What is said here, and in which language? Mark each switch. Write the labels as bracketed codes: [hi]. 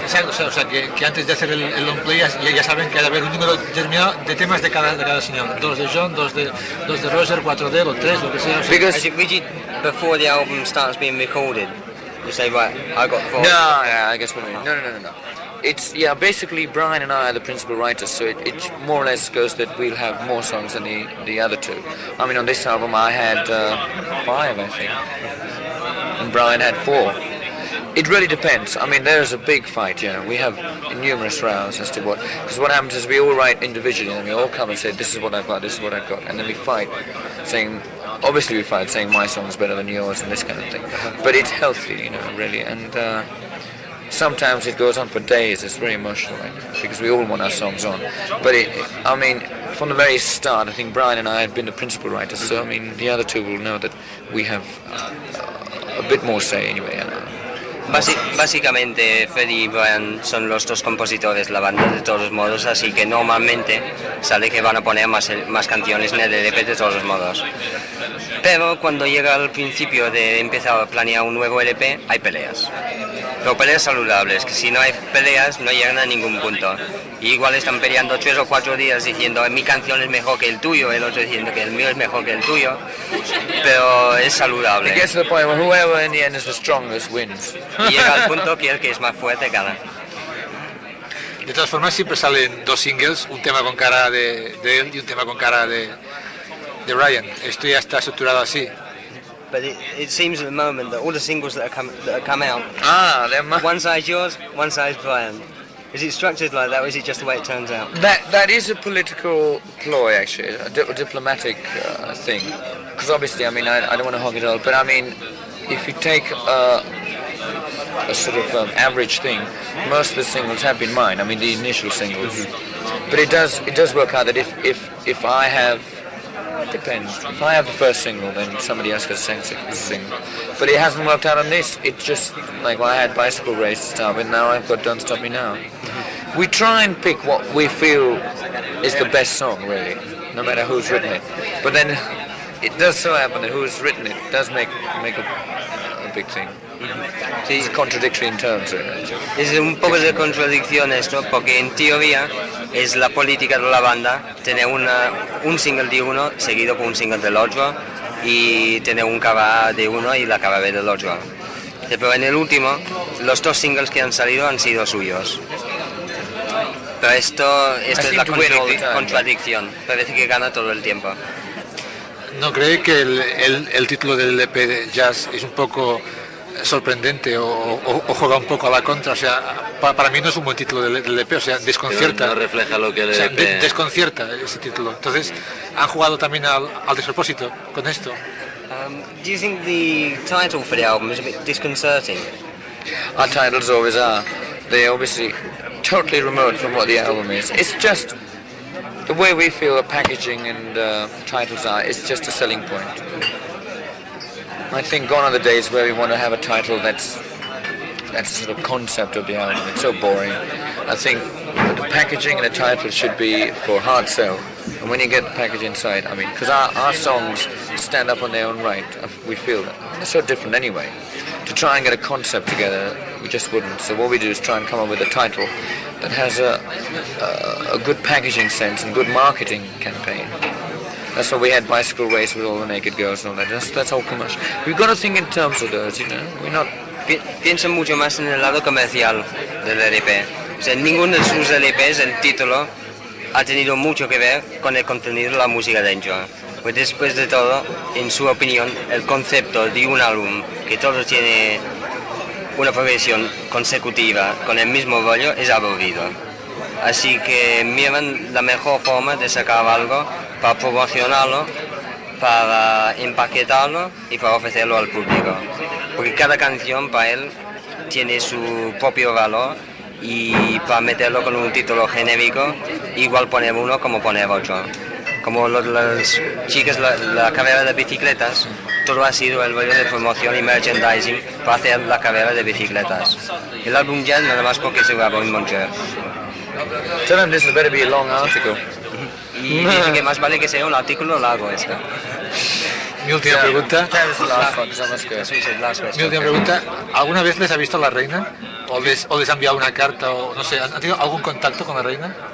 [es] O sea, que antes de hacer el long play ya saben que ha de haber un número determinado de temas de cada señor. 2 de John, 2 de Roger, 4 de él, 3, lo que sea. [en] Because is it rigid before the album starts being recorded? You say, right, I got 4. No, I guess what I mean. No. Basically Brian and I are the principal writers, so it more or less goes that we'll have more songs than the other two. I mean, on this album I had 5, I think, and Brian had 4. It really depends. I mean, there's a big fight, you know. We have numerous rounds as to what... Because what happens is we all write individually, and we all come and say, this is what I've got, this is what I've got. And then we fight, saying... Obviously we fight, saying my song is better than yours and this kind of thing. But it's healthy, you know, really. And sometimes it goes on for days. It's very emotional, right? Because we all want our songs on. But, from the very start, I think Brian and I have been the principal writers. So, I mean, the other two will know that we have a bit more say anyway, you know. [es] Básicamente, Freddy y Brian son los dos compositores de la banda, de todos modos, así que normalmente sale que van a poner más canciones en el LP, de todos modos. Pero cuando llega al principio de empezar a planear un nuevo LP, hay peleas. Pero peleas saludables, que si no hay peleas, no llegan a ningún punto. Y igual están peleando 3 o 4 días diciendo, mi canción es mejor que el tuyo, el otro diciendo que el mío es mejor que el tuyo, pero es saludable. [en] It gets to the point where whoever in the end is the strongest wins. [es] Llega al punto que el que es más fuerte gana. De todas formas, siempre salen dos singles, un tema con cara de él y un tema con cara de Ryan. Esto ya está estructurado así. [en] But it seems at the moment that all the singles that come out, one side's yours, one side's Brian. Is it structured like that, or is it just the way it turns out? That is a political ploy, actually, a diplomatic thing. Because obviously, I mean, I don't want to hog it all, but I mean, if you take a sort of average thing, most of the singles have been mine. I mean, the initial singles. But it does work out that if I have. It depends. If I have the first single, then somebody else has the second single. But it hasn't worked out on this. It's just like, well, I had Bicycle Race to start with, now I've got Don't Stop Me Now. We try and pick what we feel is the best song, really, no matter who's written it. But then it does so happen that who's written it does make a big thing. [es] Sí. Es [en] contradictory in terms, really. [es] Es un poco de contradicción esto, porque en teoría es la política de la banda tener un single de uno seguido con un single del otro y tener un cava de uno y la cava del otro. Pero en el último, los dos singles que han salido han sido suyos. Pero esto es la contradicción. Parece que gana todo el tiempo. ¿No cree que el título del EP de Jazz es un poco sorprendente o juega un poco a la contra? O sea, para mí no es un buen título del EP, o sea, desconcierta. Pero no refleja lo que el EP... O sea, desconcierta ese título. Entonces, ¿han jugado también al despropósito con esto? [en] Do you think the title for the album is a bit disconcerting? Our titles always are. They're obviously totally remote from what the album is. It's just the way we feel the packaging and titles are. It's just a selling point. I think gone are the days where we want to have a title that's a sort of concept of the album. It's so boring. I think the packaging and a title should be for hard sell. And when you get the package inside, I mean, because our songs stand up on their own right. We feel that. They're so different anyway. To try and get a concept together, we just wouldn't. So what we do is try and come up with a title that has a good packaging sense and good marketing campaign. That's why we had Bicycle Race with all the naked girls and all that. That's all commercial. We've got to think in terms of those, you know. We're not... [es] Piensa mucho más en el lado comercial del LP. O sea, ninguno de sus LPs, el título, ha tenido mucho que ver con el contenido de la música de Enjoy. Pues después de todo, en su opinión, el concepto de un álbum que todo tiene una progresión consecutiva con el mismo rollo es aburrido. Así que miran la mejor forma de sacar algo para promocionarlo, para empaquetarlo y para ofrecerlo al público. Porque cada canción para él tiene su propio valor y para meterlo con un título genérico, igual poner uno como poner otro. Como las chicas, la carrera de bicicletas, todo ha sido el rollo de promoción y merchandising para hacer la carrera de bicicletas. El álbum ya nada más porque se grabó en Montreal. [en] Tell him this better be a long article. [es] Y dice que más vale que sea un artículo largo esto. Mi última pregunta. [en] Last [es] mi última pregunta. ¿Alguna vez les ha visto la reina? ¿O les ha enviado una carta? O no sé, ¿han tenido algún contacto con la reina?